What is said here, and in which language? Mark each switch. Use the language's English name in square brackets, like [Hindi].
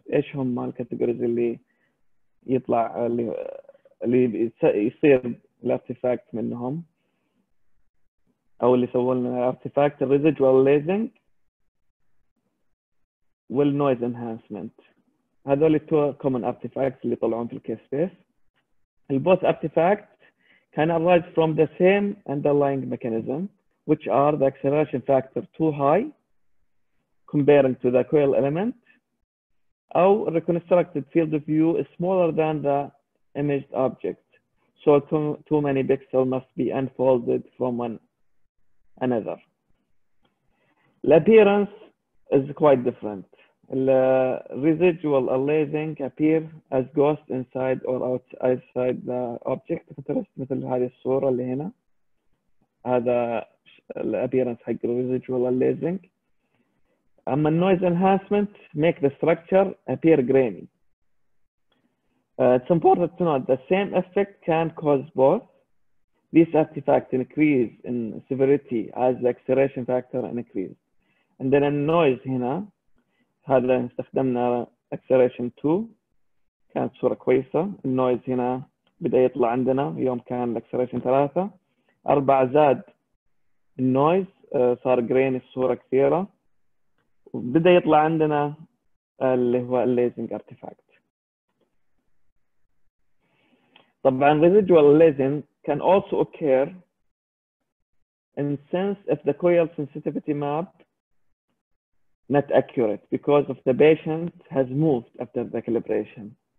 [Arabic] إيش هم الكاتيجوريز اللي يطلع اللي يصير الارتفاكت منهم أو اللي سوولنا الارتفاكت residual lasing والnoise enhancement. هذول التو [English] common artifacts [Arabic] اللي طلعون في الكيس بيس. [English] Both artifacts can arise from the same underlying mechanism, which are the acceleration factor too high comparing to the coil element, or reconstructed field of view is smaller than the imaged object, so too many pixels must be unfolded from one another. The appearance is quite different. The residual aliasing appear as ghosts inside or outside the object. [Arabic] مثل هذه الصورة اللي هنا. هذا [English] the appearance [Arabic] حق residual aliasing. أما [English] noise enhancement make the structure appear grainy. It's important to note the same effect can cause both. This artifact increase in severity as the acceleration factor increase. And then the noise [Arabic] هنا. هذا استخدمنا acceleration 2 كانت صورة كويسة. النويز هنا بدأ يطلع عندنا يوم كان acceleration 3 4 زاد النويز صار grain الصورة كثيرة وبدأ يطلع عندنا اللي هو الليزنج artifact. طبعا [English] residual lasing can also occur in sense if the coil sensitivity map not accurate because of the patient has moved after the calibration.